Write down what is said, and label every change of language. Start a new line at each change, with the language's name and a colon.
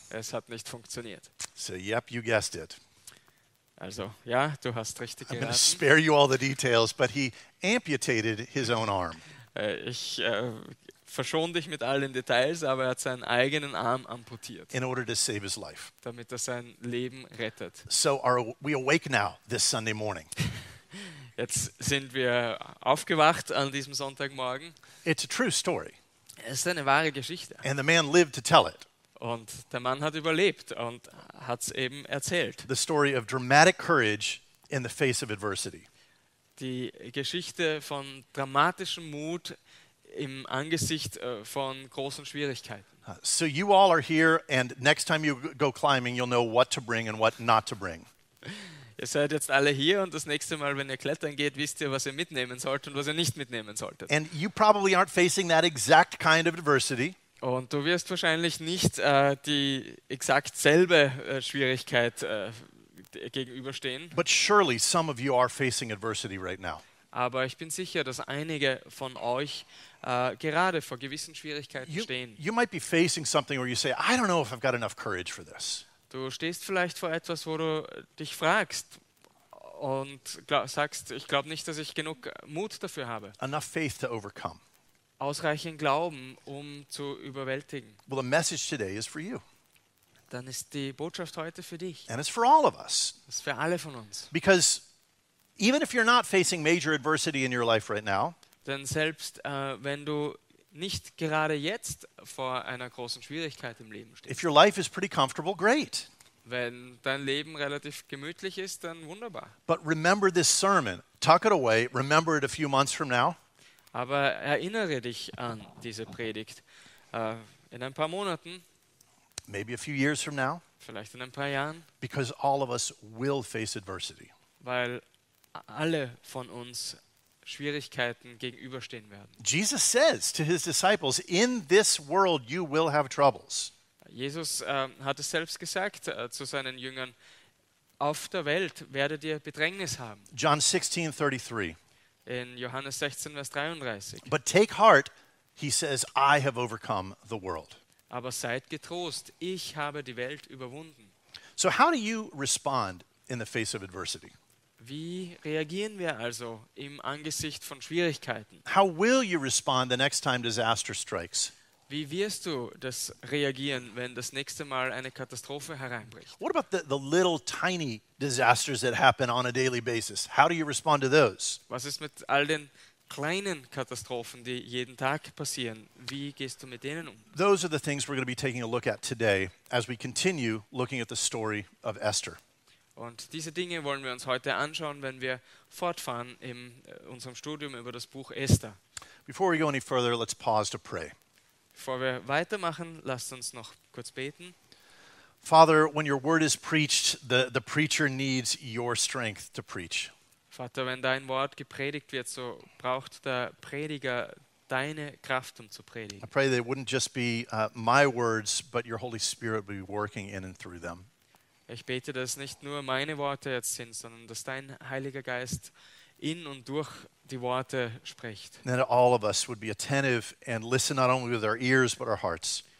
German: Es hat nicht funktioniert.
English: So, yep, you guessed it.
German: Also, ja, du hast richtig geraten.
English: I'm going to spare you all the details, but he amputated his own arm.
German: Ich verschone dich mit allen Details, aber er hat seinen eigenen Arm amputiert.
English: In order to save his life.
German: Damit er sein Leben rettet.
English: So are we awake now this Sunday morning?
German: Jetzt sind wir aufgewacht an diesem Sonntagmorgen.
English: It's a true story.
German: Es ist eine wahre Geschichte.
English: And the man lived to tell it.
German: Und der Mann hat überlebt und hat's eben erzählt.
English: The story of dramatic courage in the face of adversity.
German: Die Geschichte von dramatischem Mut im Angesicht von großen Schwierigkeiten.
English: So you all are here and next time you go climbing you'll know what to bring and what not to bring.
German: Ihr seid jetzt alle hier und das nächste Mal, wenn ihr klettern geht, wisst ihr, was ihr mitnehmen solltet und was ihr nicht mitnehmen solltet.
English: And you probably aren't facing that exact kind of adversity.
German: Und du wirst wahrscheinlich nicht die exakt selbe Schwierigkeit gegenüberstehen.
English: But surely some of you are facing adversity right now.
German: Aber ich bin sicher, dass einige von euch gerade vor gewissen Schwierigkeiten stehen.
English: You might be facing something where you say, I don't know if I've got enough courage for this.
German: Du stehst vielleicht vor etwas, wo du dich fragst und sagst, ich glaube nicht, dass ich genug Mut dafür habe.
English: Enough faith to overcome.
German: Ausreichend Glauben, um zu überwältigen.
English: Well, the message today is for you.
German: Dann ist die Botschaft heute für dich.
English: And it's for all of us.
German: Ist für alle von uns.
English: Because even if you're not facing major adversity in your life right now,
German: denn selbst wenn du nicht gerade jetzt vor einer großen Schwierigkeit im Leben stehst,
English: if your life is pretty comfortable, great.
German: Wenn dein Leben relativ gemütlich ist, dann wunderbar.
English: But remember this sermon. Tuck it away. Remember it a few months from now.
German: Aber erinnere dich an diese Predigt in ein paar Monaten.
English: Maybe a few years from now.
German: Vielleicht in ein paar Jahren.
English: Because all of us will face adversity.
German: Weil alle von uns Schwierigkeiten gegenüberstehen werden.
English: Jesus says to his disciples, in this world you will have troubles.
German: Jesus hat es selbst gesagt zu seinen Jüngern, auf der Welt werdet ihr Bedrängnis haben.
English: John 16:33.
German: In Johannes 16, Vers 33.
English: But take heart, he says, I have overcome the world.
German: Aber seid getrost, ich habe die Welt überwunden.
English: So how do you respond in the face of adversity?
German: Wie reagieren wir also im Angesicht von Schwierigkeiten?
English: How will you respond the next time disaster strikes?
German: Wie wirst du das reagieren, wenn das nächste Mal eine Katastrophe hereinbricht?
English: What about the little tiny disasters that happen on a daily basis? How do you respond to those?
German: Was ist mit all den kleinen Katastrophen, die jeden Tag passieren? Wie gehst du mit denen um?
English: Those are the things we're going to be taking a look at today as we continue looking at the story of Esther.
German: Und diese Dinge wollen wir uns heute anschauen, wenn wir fortfahren in unserem Studium über das Buch Esther.
English: Before we go any further, let's pause to pray.
German: Bevor wir weitermachen, lasst uns noch kurz beten.
English: Father, when your word is preached, the preacher needs your strength to preach.
German: Vater, wenn dein Wort gepredigt wird, so braucht der Prediger deine Kraft, um zu predigen.
English: I pray that it wouldn't just be my words, but your Holy Spirit would be working in and through them.
German: Ich bete, dass nicht nur meine Worte jetzt sind, sondern dass dein Heiliger Geist in und durch die Worte spricht.
English: And that all of us would be attentive and listen not only with our ears, but our hearts.